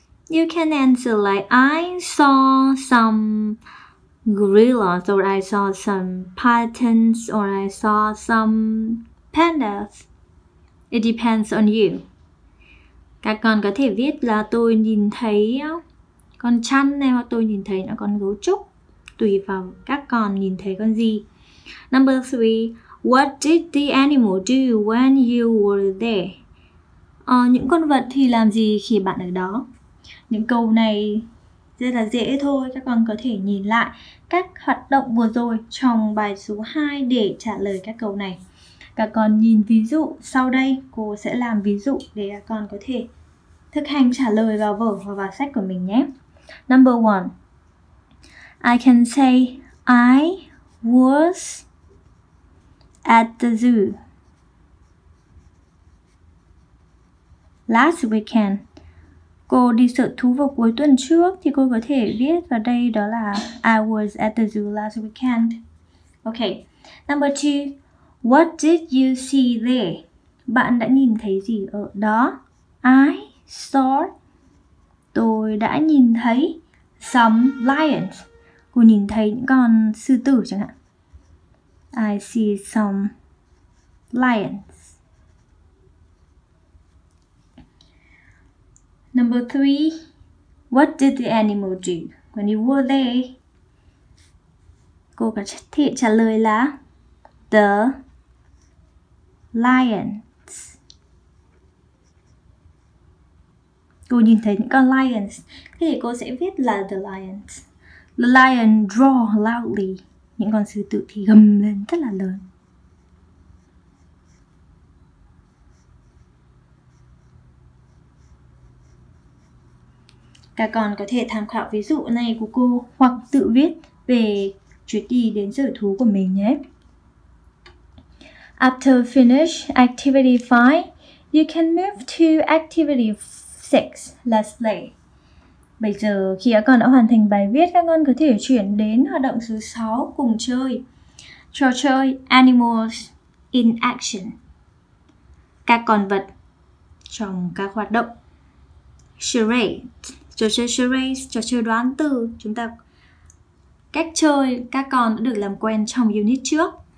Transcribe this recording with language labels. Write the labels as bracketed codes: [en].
[en] You can answer like I saw some gorillas, or I saw some pythons, or I saw some pandas. It depends on you. [vi] Các con có thể viết là tôi nhìn thấy con chăn này, hoặc tôi nhìn thấy nó con gấu trúc. Tùy vào các con nhìn thấy con gì. [en] Number 3. What did the animal do when you were there? [vi] Những con vật thì làm gì khi bạn ở đó? Những câu này rất là dễ thôi. Các con có thể nhìn lại các hoạt động vừa rồi trong bài số 2 để trả lời các câu này. Các con nhìn ví dụ sau đây, cô sẽ làm ví dụ để các con có thể thực hành trả lời vào vở và vào sách của mình nhé. [en] Number 1. I can say I was at the zoo last weekend. [vi] Cô đi sở thú vào cuối tuần trước thì cô có thể viết vào đây đó là [en] I was at the zoo last weekend. Okay. Number 2. What did you see there? [vi] Bạn đã nhìn thấy gì ở đó? [en] I saw. [vi] Tôi đã nhìn thấy [en] some lions. [vi] Cô nhìn thấy những con sư tử chẳng hạn. [en] I see some lions. Number 3. What did the animal do when you were there? [vi] Cô có thể trả lời là [en] the lions. [vi] Cô nhìn thấy những con lions. Thế thì cô sẽ viết là [en] the lions. The lion roar loudly. [vi] Những con sư tử thì gầm lên rất là lớn. Các con có thể tham khảo ví dụ này của cô hoặc tự viết về chuyến đi đến sở thú của mình nhé. [en] After finish activity 5, you can move to activity 6, let's play. [vi] Bây giờ khi các con đã hoàn thành bài viết, các con có thể chuyển đến hoạt động số 6 cùng chơi. Trò chơi [en] Animals in Action. [vi] Các con vật trong các hoạt động. Charade. Trò chơi charades, trò chơi đoán từ. Chúng ta cách chơi các con đã được làm quen trong unit trước.